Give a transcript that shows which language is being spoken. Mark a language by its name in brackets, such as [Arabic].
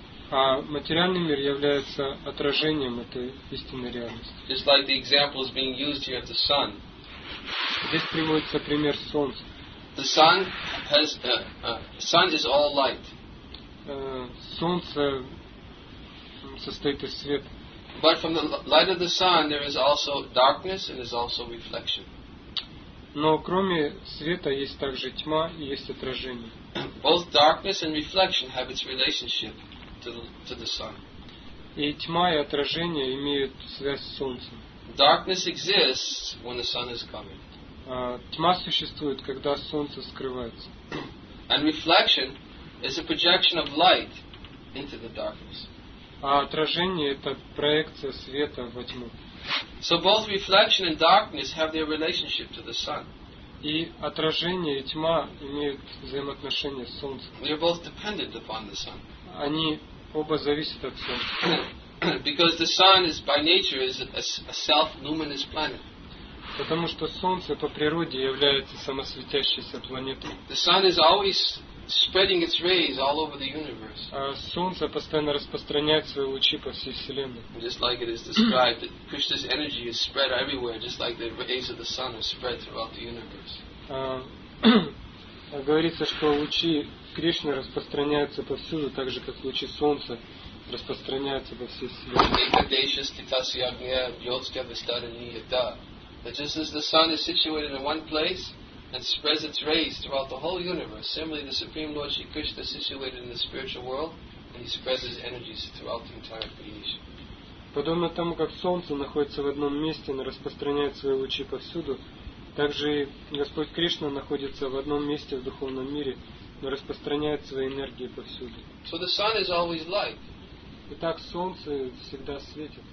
[Russian] А материальный мир является отражением этой истинной реальности. [English] Just like the example is being used here of the sun. [Russian] Здесь приводится пример солнца. [English] The sun has sun is all light. [Russian] Солнце состоит из света. [English] But from the light of the sun there is also darkness and is also reflection. [Russian] Но кроме света есть также тьма и есть отражение. [English] Both darkness and reflection have its relationship. To the sun. [Russian] И тьма и отражение имеют связь с солнцем. [English] Darkness exists when the sun is coming. [Russian] Тьма существует, когда солнце скрывается. [English] And reflection is a projection of light into the darkness. [Russian] А отражение это проекция света во тьму. [English] So both reflection and darkness have their relationship to the sun. [Russian] И отражение и тьма имеют взаимоотношение с солнцем. [English] They are both dependent upon the sun. [Russian] Они оба зависят от солнца. [English] Because the sun is by nature is a self-luminous planet. [Russian] Потому что солнце по природе является самосветящейся планетой. [English] The sun is always spreading its rays all over the universe. [Russian] А солнце постоянно распространяет свои лучи по всей вселенной. [English] Just like it is described, Krishna's energy is spread everywhere, just like the rays of the sun are spread throughout the universe. [Russian] Говорится, что лучи Кришна распространяется повсюду, так же как лучи солнца распространяются по всей вселенной. [English] But just as the sun is situated in one place and spreads its rays throughout the whole universe, similarly the Supreme Lord Shri Krishna is situated in the spiritual world and he spreads his energies throughout the entire creation. [Russian] Подобно тому, как солнце находится в одном месте, но распространяет свои лучи повсюду, так же и Господь Кришна находится в одном месте в духовном мире, но распространяет свои энергии повсюду. [English] So the sun is always light. [Russian] Итак, солнце всегда светит.